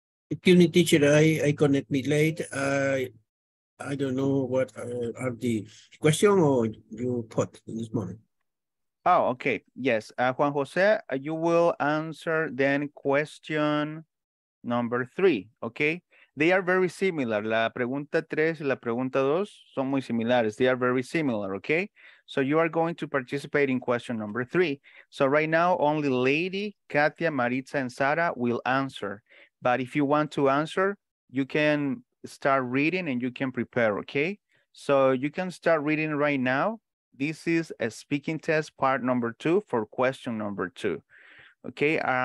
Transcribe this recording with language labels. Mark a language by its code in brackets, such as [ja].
[en] Excuse me, teacher, I connect me late. I don't know what are the question or you put in this moment. Oh, okay, yes. Juan Jose, you will answer then question number three, okay? They are very similar. [es] La pregunta tres y la pregunta dos son muy similares. [en] They are very similar, okay? So you are going to participate in question number three. So right now, only Lady, Katia, Maritza, and Sara will answer. But if you want to answer, you can start reading and you can prepare, okay? So you can start reading right now. This is a speaking test part number two for question number two, okay?